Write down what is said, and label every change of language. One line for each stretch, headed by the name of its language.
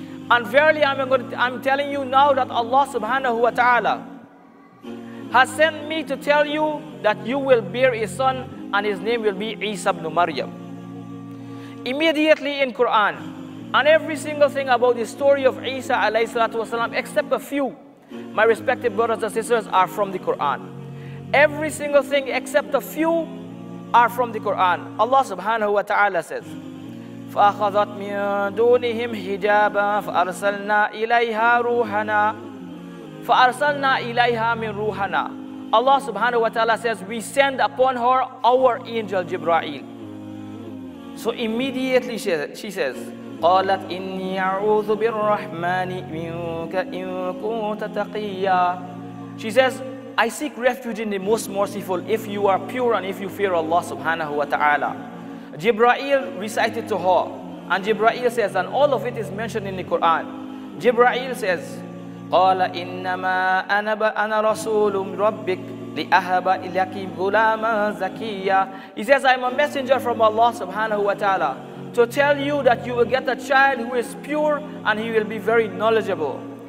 English: And verily I'm telling you now that Allah subhanahu wa ta'ala has sent me to tell you that you will bear a son and his name will be Isa ibn Maryam. Immediately in Quran, and every single thing about the story of Isa alayhi salatu wasalam, except a few, my respected brothers and sisters, are from the Quran. Every single thing except a few are from the Quran. Allah subhanahu wa ta'ala says,
Arabic: فَأَخَذَتْ مِن دُونِهِمْ حِجَابًا فَأَرْسَلْنَا إِلَيْهَا رُوحَنَا فَأَرْسَلْنَا إِلَيْهَا مِن رُوحَنَا.
English: Allah subhanahu wa ta'ala says, we send upon her our angel Jibreel. So immediately she says,
Arabic: قَالَتْ إِنِّي أَعُوذُ بِالرَّحْمَنِ مِنْكَ إِن كُنْتَ تَقِيًّا.
English: She says, I seek refuge in the most merciful if you are pure and if you fear Allah subhanahu wa ta'ala. Jibreel recited to her, and Jibreel says, and all of it is mentioned in the Quran. Jibreel says,
Arabic: قَالَ إِنَّمَا أَنَا رَسُولٌ رَبِّكَ لِأَهَبَ إِلَكِ غُلَامًا زَكِيًّا.
English: He says, I'm a messenger from Allah subhanahu wa ta'ala to tell you that you will get a child who is pure and he will be very knowledgeable.